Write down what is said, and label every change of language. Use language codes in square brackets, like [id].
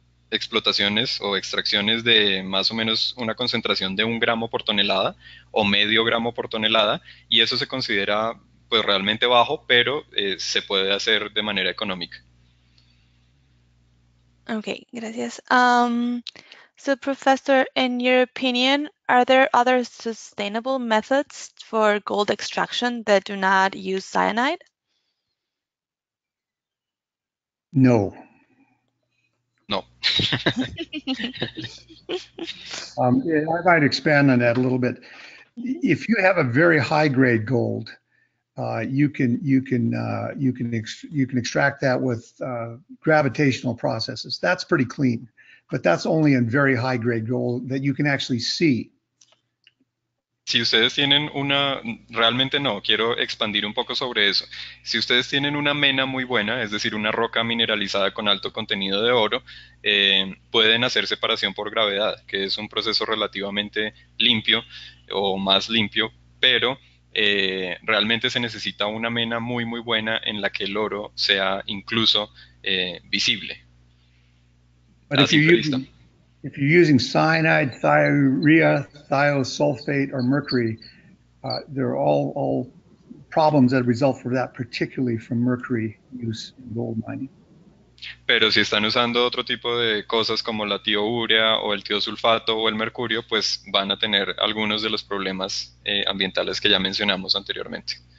[es] explotaciones o extracciones de más o menos una concentración de 1 gramo por tonelada o medio gramo por tonelada, y eso se considera pues realmente bajo, pero se puede hacer de manera económica. Okay, gracias. [en] So, Professor, in your opinion, are there other sustainable methods for gold extraction that do not use cyanide? No. No. I might expand on that a little bit. If you have a very high grade gold, you can extract that with gravitational processes. That's pretty clean, but that's only in very high grade gold that you can actually see. [es] Si ustedes tienen una, realmente no, quiero expandir un poco sobre eso. Si ustedes tienen una mena muy buena, es decir, una roca mineralizada con alto contenido de oro, pueden hacer separación por gravedad, que es un proceso relativamente limpio o más limpio, pero realmente se necesita una mena muy, muy buena en la que el oro sea incluso visible [en] But [es] a simple vista. [en] if you're using cyanide, thiourea, thiosulfate, or mercury, there are all problems that result from that, particularly from mercury use in gold mining. [es] Pero si están usando otro tipo de cosas como la tiourea o el tiosulfato o el mercurio, pues van a tener algunos de los problemas ambientales que ya mencionamos anteriormente.